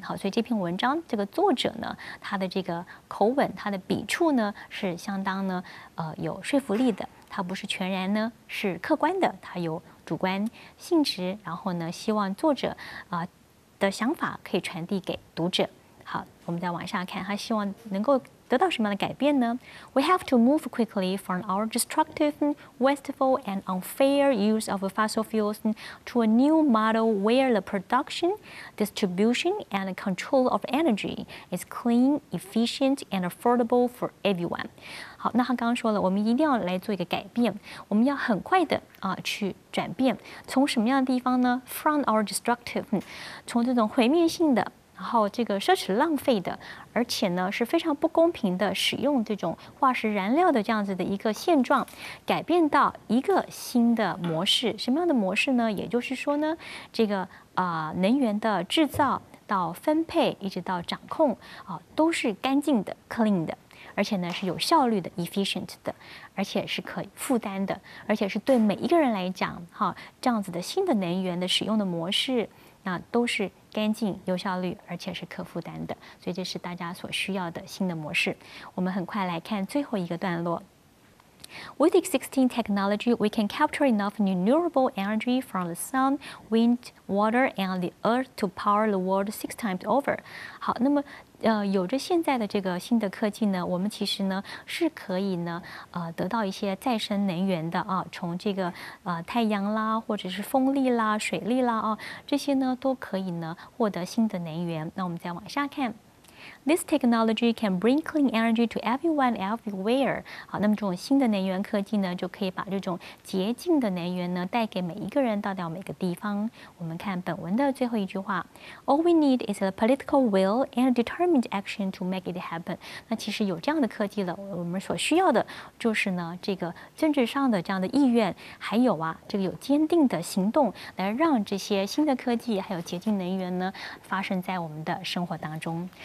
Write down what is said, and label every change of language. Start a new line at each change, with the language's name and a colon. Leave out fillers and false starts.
Chinese: 好，所以这篇文章这个作者呢，他的这个口吻，他的笔触呢是相当呢有说服力的，他不是全然呢是客观的，他有主观性质，然后呢希望作者的想法可以传递给读者。好，我们再往下看，他希望能够得到什么样的改变呢？
English: We have to move quickly from our destructive, wasteful and unfair use of fossil fuels to a new model where the production, distribution and control of energy is clean, efficient and affordable for everyone.
Chinese: 好，那他刚刚说了，我们一定要来做一个改变，我们要很快的去转变，从什么样的地方呢？
English: From our destructive,
Chinese: 从这种毁灭性的，然后这个奢侈浪费的，而且呢是非常不公平的使用这种化石燃料的这样子的一个现状，改变到一个新的模式。什么样的模式呢？也就是说呢，这个能源的制造到分配一直到掌控都是干净的 clean 的，而且呢是有效率的 efficient 的，而且是可以负担的，而且是对每一个人来讲这样子的新的能源的使用的模式，那都是干净、有效率，而且是可负担的，所以这是大家所需要的新的模式。我们很快来看最后一个段落。
English: With existing technology, we can capture enough renewable energy from the sun, wind, water, and the earth to power the world 6 times over.
Chinese: 好，那么有着现在的这个新的科技呢，我们其实呢是可以呢得到一些再生能源的啊，从这个太阳啦，或者是风力啦、水力啦这些呢都可以呢获得新的能源。那我们再往下看。
English: This technology can bring clean energy to everyone everywhere.
Chinese: 好，那么这种新的能源科技呢，就可以把这种洁净的能源呢带给每一个人，到达每个地方。我们看本文的最后一句话。
English: All we need is a political will and determined action to make it happen.
Chinese: 那其实有这样的科技了，我们所需要的就是呢这个政治上的这样的意愿，还有啊这个有坚定的行动，来让这些新的科技还有洁净能源呢发生在我们的生活当中。